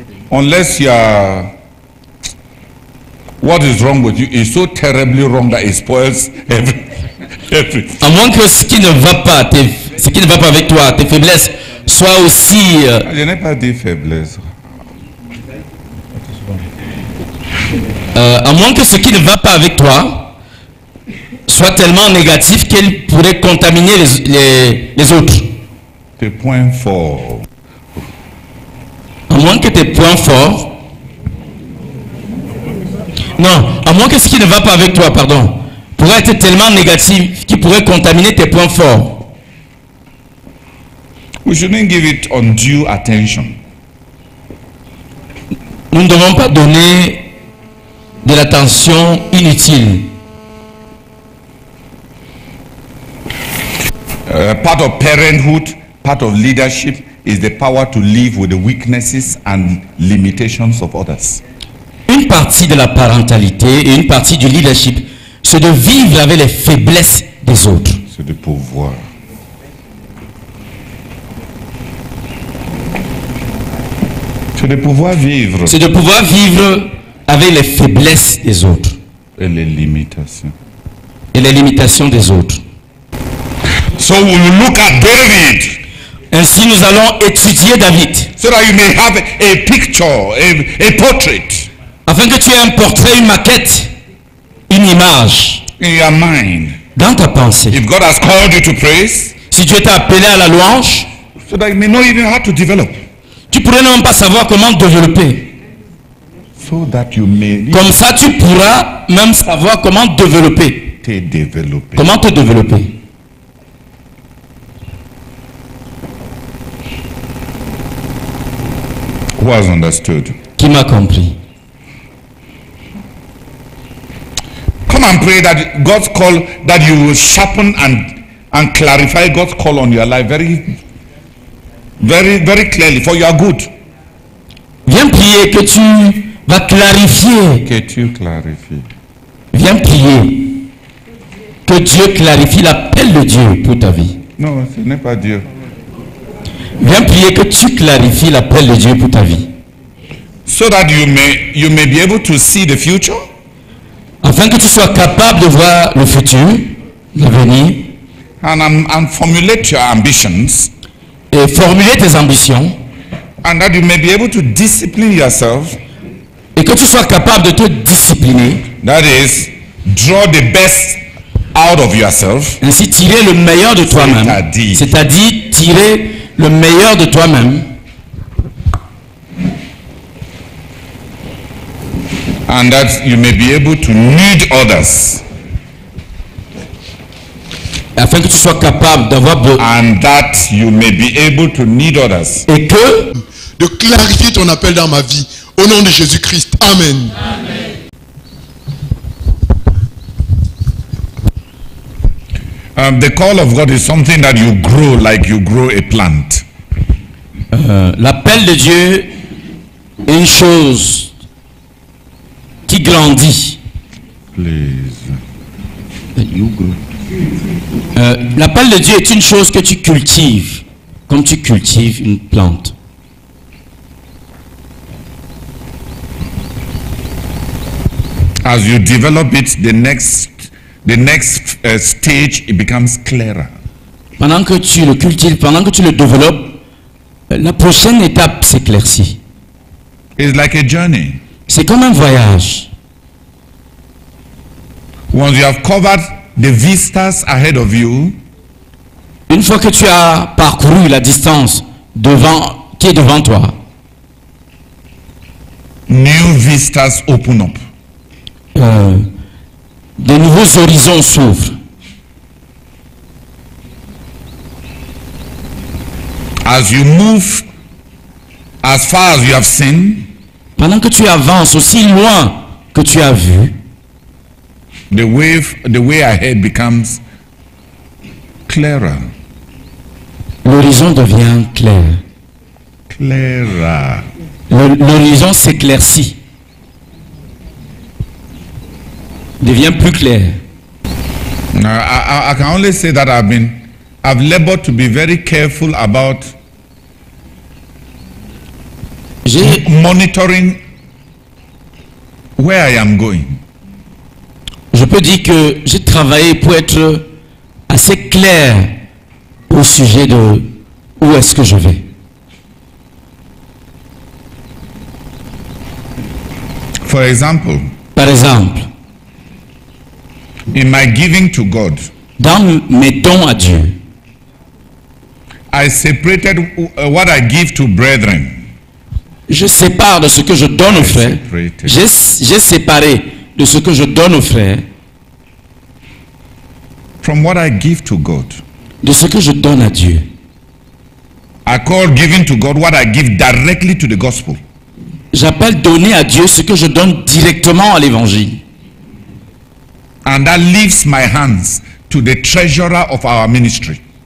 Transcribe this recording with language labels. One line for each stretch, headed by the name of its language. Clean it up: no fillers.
English: Unless you are, what is wrong with you is so terribly wrong that it spoils everything.
French: À moins que ce qui ne va pas, ce qui ne va pas avec toi, tes faiblesses soient aussi. Je n'ai pas dit faiblesse. À moins que ce qui ne va pas avec toi soit tellement négatif qu'elle pourrait contaminer les autres. Tes points forts. À moins que tes points forts. Non, à moins que ce qui ne va pas avec toi, pardon, pourrait être tellement négatif qu'il pourrait contaminer tes points forts.
English: We shouldn't give it undue attention.
French: Nous ne devons pas donner de l'attention inutile.
English: Part of parenthood, part of leadership is the power to live with the weaknesses and limitations of others.
French: Une partie de la parentalité et une partie du leadership, c'est de vivre avec les faiblesses des autres. C'est de pouvoir. C'est de pouvoir vivre. C'est de pouvoir vivre avec les faiblesses des autres. Et les limitations. Et les limitations des autres.
English: So we look at David.
French: Ainsi nous allons étudier David.
English: So that you may have a picture, a portrait.
French: Afin que tu aies un portrait, une maquette, une image.
English: In your mind.
French: Dans ta pensée.
English: If God has called you to praise.
French: Si Dieu t'a appelé à la louange.
English: So that you may know even how to develop.
French: Tu pourrais même pas savoir comment développer.
English: So that you may.
French: Comme ça tu pourras même savoir comment développer. Te développer. Comment te développer.
English: Was understood.
French: Qui m'a compris?
English: Come and pray that God's call, that you will sharpen and clarify God's call on your life very, very, very clearly for your good.
French: Viens prier que tu vas clarifier. Que tu clarifies. Viens prier que Dieu clarifie l'appel de Dieu pour ta vie. Non, ce n'est pas Dieu. Viens prier que tu clarifies l'appel de Dieu pour ta vie.
English: So that you may be able to see the future.
French: Afin que tu sois capable de voir le futur, l'avenir.
English: And formulate your ambitions.
French: Et formuler tes ambitions.
English: And that you may be able to discipline yourself.
French: Et que tu sois capable de te discipliner.
English: That is, draw the best out of yourself.
French: Ainsi tirer le meilleur de toi-même. C'est-à-dire tirer le meilleur de toi-même.
English: And that you may be able to lead others.
French: Afin que tu sois capable d'avoir besoin.
English: And that you may be able to lead others.
French: Et que de clarifier ton appel dans ma vie au nom de Jésus-Christ. Amen. Amen.
English: The call of God is something that you grow like you grow a plant.
French: L'appel de Dieu est une chose qui grandit.
English: Please.
French: L'appel de Dieu est une chose que tu cultives, comme tu cultives une plante.
English: As you develop it, the next stage, it becomes clearer.
French: Pendant que tu le cultives, pendant que tu le développes, La prochaine étape s'éclaircit.
English: It's like a journey.
French: C'est comme un voyage.
English: Once you have covered the vistas ahead of you,
French: une fois que tu as parcouru la distance devant, qui est devant toi,
English: new vistas open up.
French: De nouveaux horizons s'ouvrent.
English: As you move as far as you have seen,
French: pendant que tu avances aussi loin que tu as vu,
English: the way ahead becomes clearer.
French: L'horizon devient clair. Clairer. L'horizon s'éclaircit. Devient plus clair.
English: Now, I can only say that I've labored to be very careful about monitoring where I am going.
French: Je peux dire que j'ai travaillé pour être assez clair au sujet de où est-ce que je vais.
English: For example,
French: par exemple,
English: in my giving to God,
French: dans mes dons à Dieu,
English: I separated what I give to brethren.
French: Je sépare de ce que je donne aux frères. J'ai séparé de ce que je donne aux frères.
English: From what I give to God.
French: De ce que je donne à Dieu.
English: I call giving to God what I give directly to the gospel.
French: J'appelle donner à Dieu ce que je donne directement à l'évangile.
English: And that leaves my hands to the treasurer of our ministry.